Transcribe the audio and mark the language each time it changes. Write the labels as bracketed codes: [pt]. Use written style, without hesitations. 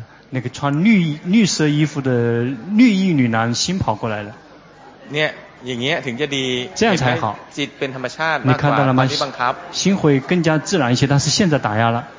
[zh] 那个穿绿色衣服的绿衣女男心跑过来了 [th] เนี่ยอย่างเงี้ยถึงจะดี [zh] 这样才好 [th] จิตเป็นธรรมชาติมากกว่าตอนที่บังคับ [zh] 心会更加自然一些但是现在打压了